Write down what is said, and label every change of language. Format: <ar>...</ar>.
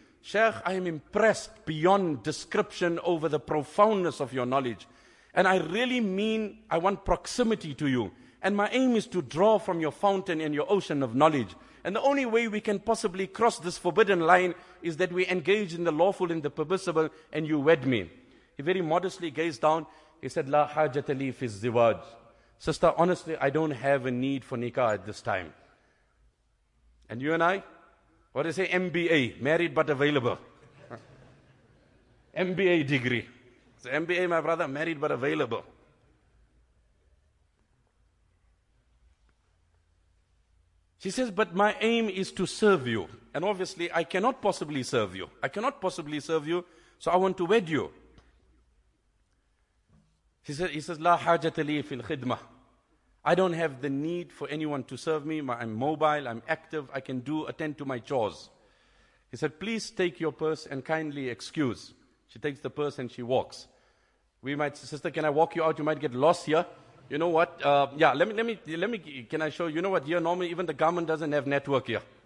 <en>Sheikh, I am impressed beyond description over the profoundness of your knowledge. And I really mean, I want proximity to you. And my aim is to draw from your fountain and your ocean of knowledge. And the only way we can possibly cross this forbidden line is that we engage in the lawful and the permissible and you wed me. He very modestly gazed down. He said,</en> <ar>لا حاجة لي في الزواج.</ar> <en>Sister, honestly, I don't have a need for nikah at this time. And you and I? What do you say? MBA, married but available. MBA degree. So MBA, my brother, married but available. She says, but my aim is to serve you. And obviously, I cannot possibly serve you. I cannot possibly serve you, so I want to wed you. He says,</en> <ar>لا حاجة لي في الخدمة.</ar> <en>I don't have the need for anyone to serve me. I'm mobile, I'm active, I can attend to my chores. He said, please take your purse and kindly excuse. She takes the purse and she walks. We might say, sister, can I walk you out? You might get lost here. You know what? Can I show you? You know what? Here normally even the government doesn't have network here.</en>